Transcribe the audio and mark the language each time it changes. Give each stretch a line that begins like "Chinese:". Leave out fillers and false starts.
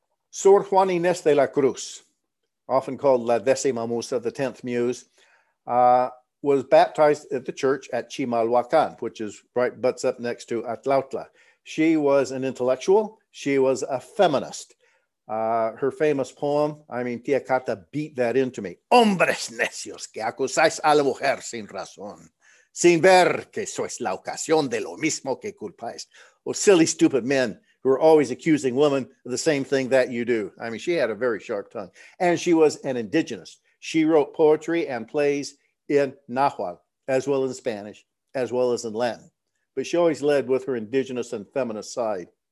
English: Sor Juan Inés de la Cruz, often called La Décima Musa, the 10th Muse, was baptized at the church at Chimalhuacan, which is right butts up next to Atlautla. She was an intellectual. She was a feminist. Her famous poem, I mean, Tia Cata beat that into me.
Spanish: Hombres necios que acusáis a la mujer sin razón, sin ver que sois la ocasión de lo mismo que culpáis.
English: Oh, silly, stupid men who are always accusing women of the same thing that you do. I mean, she had a very sharp tongue. And she was an indigenous. She wrote poetry and plays in Nahual, as well as in Spanish, as well as in Latin. But she always led with her indigenous and feminist side.